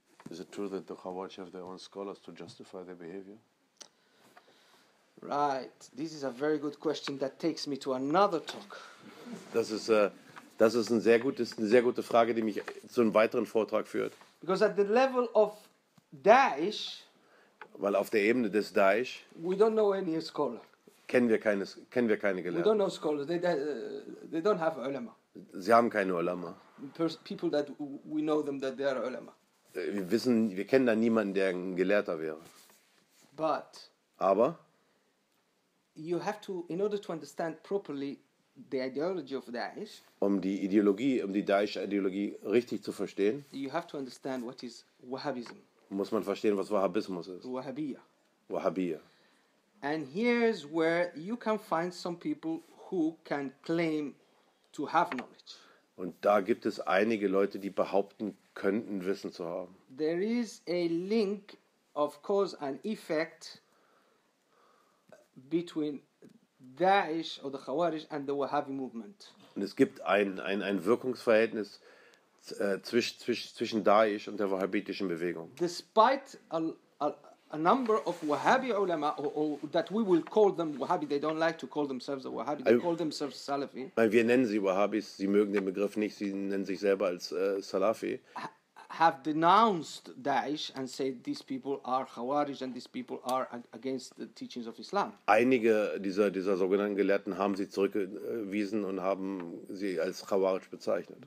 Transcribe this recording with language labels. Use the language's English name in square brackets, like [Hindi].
[English] Is it true that the Khawarij have their own scholars to justify their behavior? Right. This is a very good question that takes me to another talk. [German] Das ist eine sehr gute Frage, die mich zu einem weiteren Vortrag führt. [English] Because at the level of Daesh, [German] weil auf der Ebene des Daesh, [English] we don't know any scholar. [German] Kennen wir keine Gelehrten. [English] We don't know scholars. They don't have ulama. [German] Sie haben keine Ulama. [English] People that we know them that they are ulama. [German] wir kennen da niemanden, der ein Gelehrter wäre. [English] But [German] aber [English] you have to, in order to understand properly the ideology of Daesh, [German] um die Daesh-Ideologie richtig zu verstehen, [English] you have to understand what is Wahhabism. [German] Muss man verstehen, was Wahhabismus ist. [Arabic] Wahhabiyya. Wahhabiyya. [English] And here's where you can find some people who can claim to have knowledge. [German] Und da gibt es einige Leute, die behaupten könnten, Wissen zu haben. [English] There is a link of cause and effect between Daesh or the Khawarij and the Wahhabi movement. [German] Und es gibt ein Wirkungsverhältnis zwischen Daesh und der wahhabitischen Bewegung. [English] Despite a number of Wahhabi ulama, or that we will call them Wahhabi, they don't like to call themselves a Wahhabi, they call themselves Salafi. [German] Wir nennen sie Wahhabis, sie mögen den Begriff nicht, sie nennen sich selber als Salafi. [English] Have denounced Daesh and said these people are Khawarij and these people are against the teachings of Islam. [German] Einige dieser sogenannten Gelehrten haben sie zurückgewiesen und haben sie als Khawarij bezeichnet.